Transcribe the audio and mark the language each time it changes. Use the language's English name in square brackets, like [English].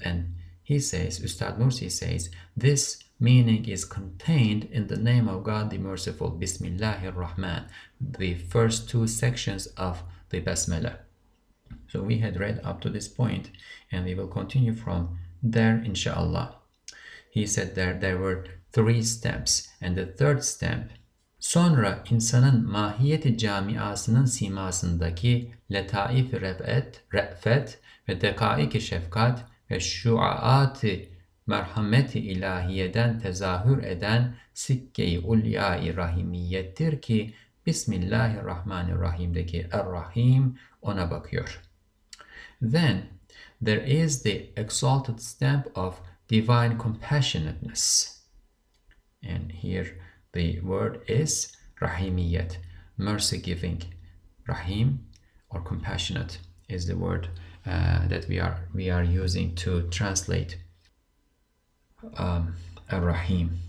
[English] And he says, Ustad Nursi says, this meaning is contained in the name of God the Merciful, Bismillahirrahman, the first two sections of the Basmala. So we had read up to this point, and we will continue from there, inshallah. He said there were three steps, and the third step. [Turkish] Sonra insanın mahiyeti camiasının simasındaki letaif-i re'fet ve dekaik-i şefkat ve şuaat-i merhameti ilahiyeden tezahür eden sikke-i ulyâ-i rahimiyettir ki Bismillahirrahmanirrahim'deki Er-Rahim ona bakıyor. [English] Then there is the exalted stamp of divine compassionateness. And here the word is rahimiyet, mercy giving. Rahim or compassionate is the word that we are using to translate Ar-Rahim.